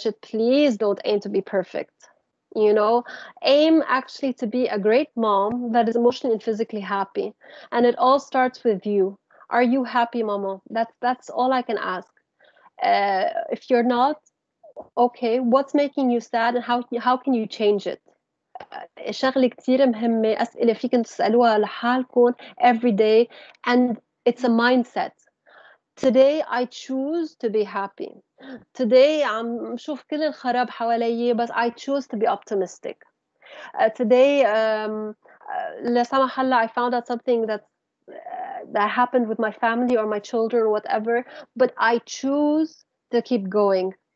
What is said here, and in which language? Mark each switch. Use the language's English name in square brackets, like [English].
[English] Please don't aim to be perfect. You know, aim actually to be a great mom that is emotionally and physically happy. And it all starts with you. Are you happy, mama? That's all I can ask. If you're not, okay, what's making you sad and how can you change it? [Arabic] شغلة كتير مهمة, أسئلة فيكن تسألوها لحالكن [English] every day, and it's a mindset. Today I choose to be happy. Today [Arabic] عم شوف كل الخراب حواليي, [English] but I choose to be optimistic. Today, [Arabic] لا سمح الله, [English] I found out something that happened with my family or my children or whatever, but I choose to keep going.